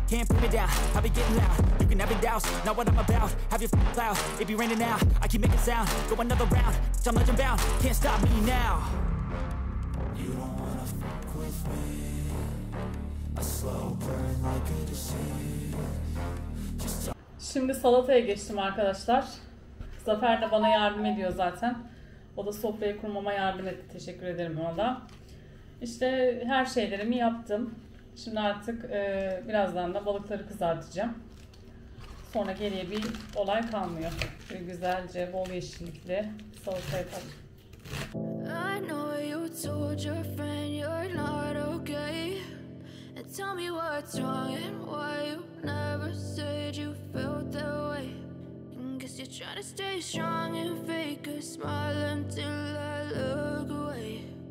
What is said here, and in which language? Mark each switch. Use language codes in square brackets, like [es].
[en] Can't put me down, I'll be getting loud. You can have your doubts, not what I'm about. Have your f***ing loud, it be raining now. I keep making sound, go another round. Bitch, I'm legend bound, can't stop me now. You don't wanna f*** with me. [tr] Şimdi salataya geçtim arkadaşlar. Zafer de bana yardım ediyor zaten. O da sofrayı kurmama yardım etti. Teşekkür ederim ona da. İşte her şeylerimi yaptım. Şimdi artık birazdan da balıkları kızartacağım. Sonra geriye bir olay kalmıyor. Böyle güzelce bol yeşillikli salata yapalım. [en] Tell me what's wrong and why you never said you felt that way. Guess you're trying to stay strong and fake a smile until I look away.